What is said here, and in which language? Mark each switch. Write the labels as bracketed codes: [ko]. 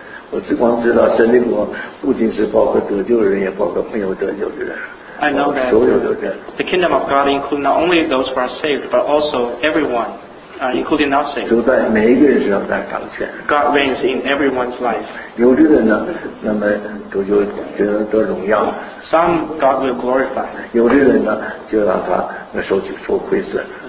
[zh] 我只光知道神的国不仅是包括得救人，也包括没有得救的人。 [en] I know that the kingdom of God includes not only those who are saved, but also everyone, including not saved. [zh] 主在每一个人身上在掌权。 [en] God reigns in everyone's life. [zh] 有的人呢，那么主就得得荣耀。 [en] Some God will glorify. [zh] 有的人呢，就让他受去受亏损。